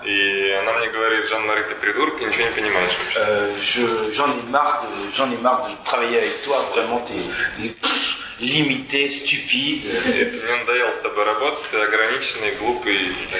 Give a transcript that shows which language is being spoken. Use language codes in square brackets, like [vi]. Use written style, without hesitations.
[ru] И она мне говорит: Жан-Мари, ты придурок, ты ничего не понимаешь. [fr] J'en ai marre de travailler avec toi, vraiment t'es limité, stupide. [ru] Это мне надоело с тобой работать, ты ограниченный, глупый.